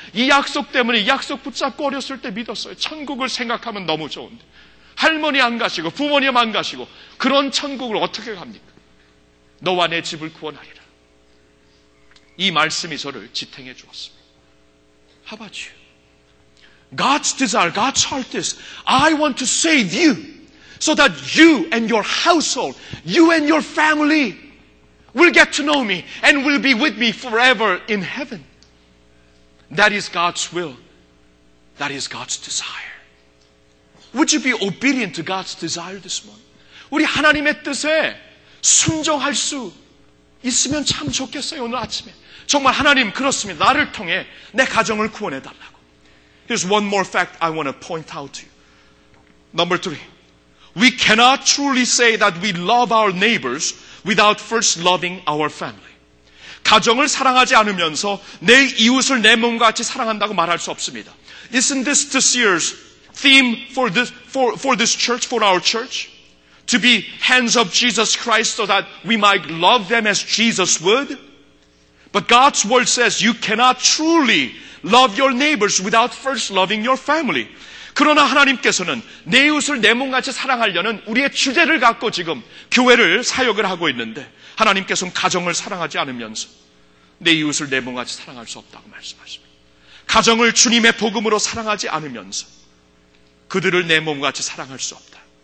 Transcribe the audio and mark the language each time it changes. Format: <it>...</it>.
<ko>이 약속 때문에 약속 붙잡고 어렸을 때 믿었어요. 천국을 생각하면 너무 좋은데 할머니 안 가시고 부모님 안 가시고 그런 천국을 어떻게 갑니까? 너와 내 집을 구원하리라. 이 말씀이 저를 지탱해 주었습니다.</ko> <en>How about you? God's desire, God's heart is, I want to save you. So that you and your household, you and your family will get to know me and will be with me forever in heaven. That is God's will. That is God's desire. Would you be obedient to God's desire this morning?</en> <ko>우리 하나님의 뜻에 순종할 수 있으면 참 좋겠어요, 오늘 아침에. 정말 하나님, 그렇습니다. 나를 통해 내 가정을 구원해 달라고.</ko> <en>Here's one more fact I want to point out to you. Number three. We cannot truly say that we love our neighbors without first loving our family.</en> <ko>가정을 사랑하지 않으면서 내 이웃을 내 몸과 같이 사랑한다고 말할 수 없습니다.</ko> <en>Isn't this year's theme for this church, for our church? to be hands of Jesus Christ so that we might love them as Jesus would. But God's word says you cannot truly love your neighbors without first loving your family.</en> <ko>그러나 하나님께서는 내 이웃을 내 몸같이 사랑하려는 우리의 주제를 갖고 지금 교회를 사역을 하고 있는데 하나님께서는 가정을 사랑하지 않으면서 내 이웃을 내 몸같이 사랑할 수 없다고 말씀하십니다. 가정을 주님의 복음으로 사랑하지 않으면서 그들을 내 몸같이 사랑할 수 없다.</ko>